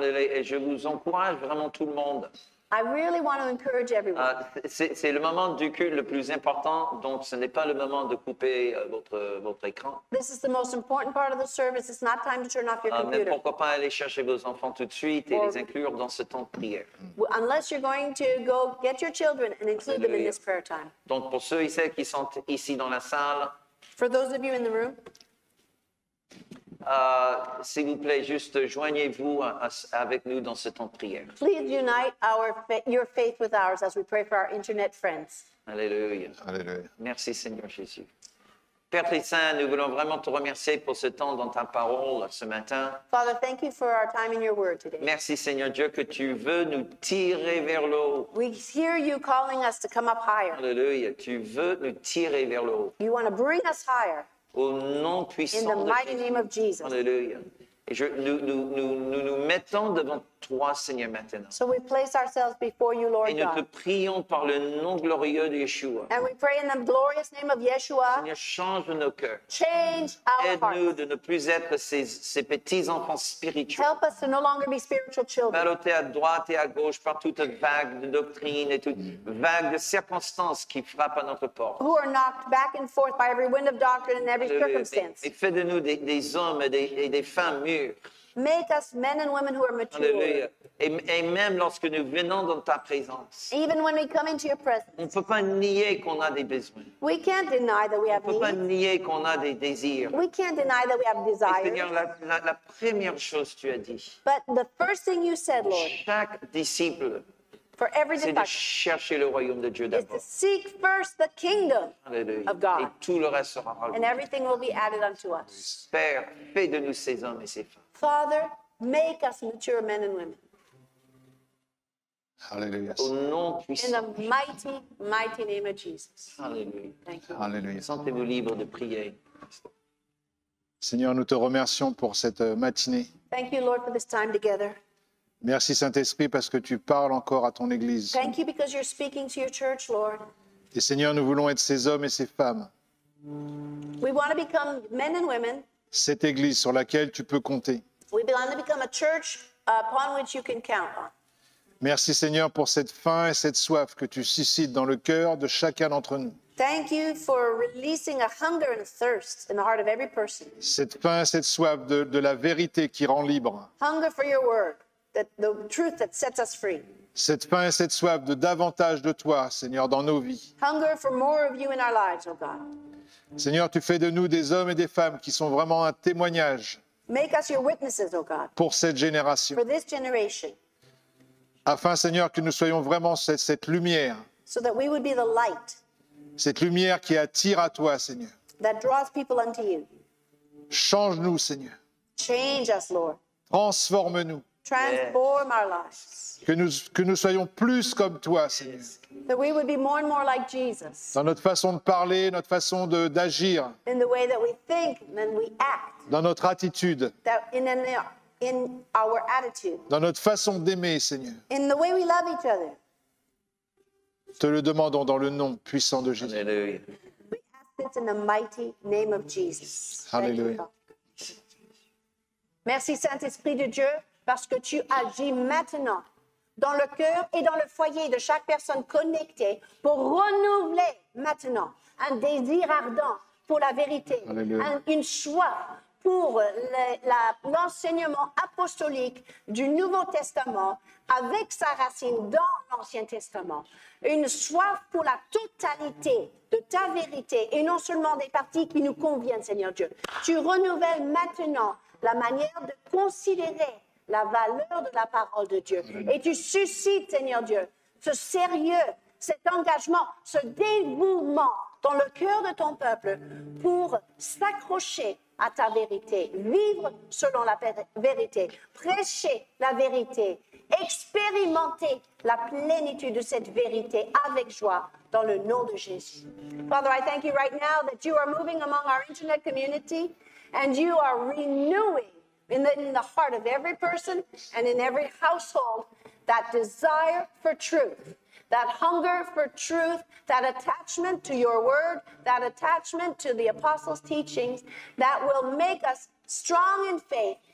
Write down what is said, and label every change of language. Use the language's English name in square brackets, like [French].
[French] Et je vous encourage vraiment tout le monde [English] I really want to encourage everyone. [French] C'est le moment du culte le plus important, donc ce n'est pas le moment de couper votre écran. [English] This is the most important part of the service. It's not time to turn off your computer. [French] Mais pourquoi pas aller chercher vos enfants tout de suite et les inclure dans ce temps de prière. [English] Unless you're going to go get your children and include them in this prayer time. [French] Donc pour ceux et celles qui sont ici dans la salle. [English] For those of you in the room. [French] S'il vous plaît, juste joignez-vous avec nous dans ce temps de prière. [English] Please unite your faith with ours as we pray for our internet friends. [French] Alléluia. Alléluia. Merci Seigneur Jésus. Père très saint, nous voulons vraiment te remercier pour ce temps dans ta parole ce matin. [English] Father, thank you for our time in your word today. [French] Merci Seigneur Dieu que tu veux nous tirer vers le haut. [English] We hear you calling us to come up higher. [French] Alléluia. Tu veux nous tirer vers le haut. [English] You want to bring us higher. [French] Au nom puissant de Jésus. [English] In the mighty name of Jesus. [French] Alléluia. Et nous mettons devant toi, Seigneur, maintenant. [English] So we place ourselves before you, Lord [French] God. Et nous [English] God. [French] Te prions par le nom glorieux de Yeshua. [English] And we pray in the glorious name of Yeshua. [French] Seigneur, change nos cœurs. [English] Change our [French] Aide-nous de ne plus être ces petits enfants spirituels. [English] Help us to no longer be spiritual children. [French] Ballotés à droite et à gauche par toute vague de doctrine et toute vague de circonstances qui frappent à notre porte. [English] Who are knocked back and forth by every wind of doctrine and every circumstance. [French] Et fais de nous des hommes et des femmes mûres. [English] Make us men and women who are mature. [French] Alléluia. Et même lorsque nous venons dans ta présence. [English] Even when we come into your presence. [French] On ne peut pas nier qu'on a des besoins. [English] We can't deny that we have needs. [French] On ne peut pas nier qu'on a des désirs. [English] We can't deny that we have desires. [French] Et Seigneur, la première chose tu as dit. [English] But the first thing you said, Lord. [French] Chaque disciple. [English] For every disciple. [French] C'est de chercher le royaume de Dieu d'abord. [English] Is to seek first the kingdom. [French] Alléluia. [English] Of God. [French] Et tout le reste sera rajouté. [English] And everything will be added unto us. [French] Père, fais de nous ces hommes et ces femmes. [English] Father, make us mature men and women. Hallelujah. Au nom puissant. In the mighty, mighty name of Jesus. Hallelujah. Thank you. [French] Sentez-vous libre de prier. Seigneur, nous te remercions pour cette matinée. [English] Thank you, Lord, for this time together. [French] Merci, Saint-Esprit, parce que tu parles encore à ton Église. [English] Thank you because you're speaking to your church, Lord. [French] Et Seigneur, nous voulons être ces hommes et ces femmes. [English] We want to become men and women. [French] Cette église sur laquelle tu peux compter. [English] We belong to become a church upon which you can count on. [French] Merci Seigneur pour cette faim et cette soif que tu suscites dans le cœur de chacun d'entre nous. [English] Thank you for releasing a hunger and a thirst in the heart of every person. [French] Cette faim et cette soif de la vérité qui rend libre. [English] Hunger for your word, the truth that sets us free. [French] Cette faim et cette soif de davantage de toi, Seigneur, dans nos vies. [English] Hunger for more of you in our lives, oh God. [French] Seigneur, tu fais de nous des hommes et des femmes qui sont vraiment un témoignage [English] Make us your witnesses, oh God, [French] pour cette génération. [English] For this generation. [French] Afin, Seigneur, que nous soyons vraiment cette lumière. [English] So that we would be the light. [French] Cette lumière qui attire à toi, Seigneur. [English] That draws people unto you. [French] Change-nous, Seigneur. [English] Change us, Lord. [French] Transforme-nous. [English] Transform our lives. [French] Que nous soyons plus comme toi, Seigneur. [English] That we would be more and more like Jesus. [French] Dans notre façon de parler, notre façon d'agir. [English] In the way that we think and we act. [French] Dans notre attitude. [English] That in our attitude. [French] Dans notre façon d'aimer, Seigneur. [English] In the way we love each other. [French] Te le demandons dans le nom puissant de Jésus. Alléluia. [English] We ask it in the mighty name of Jesus. [French] Alléluia. Merci, Saint-Esprit de Dieu. Parce que tu agis maintenant dans le cœur et dans le foyer de chaque personne connectée pour renouveler maintenant un désir ardent pour la vérité, une soif pour l'enseignement apostolique du Nouveau Testament avec sa racine dans l'Ancien Testament, une soif pour la totalité de ta vérité et non seulement des parties qui nous conviennent, Seigneur Dieu. Tu renouvelles maintenant la manière de considérer la valeur de la parole de Dieu. Et tu suscites, Seigneur Dieu, ce sérieux, cet engagement, ce dévouement dans le cœur de ton peuple pour s'accrocher à ta vérité, vivre selon la vérité, prêcher la vérité, expérimenter la plénitude de cette vérité avec joie dans le nom de Jésus. [English] Father, I thank you right now that you are moving among our internet community and you are renewing in the heart of every person and in every household, that desire for truth, that hunger for truth, that attachment to your word, that attachment to the apostles' teachings, that will make us strong in faith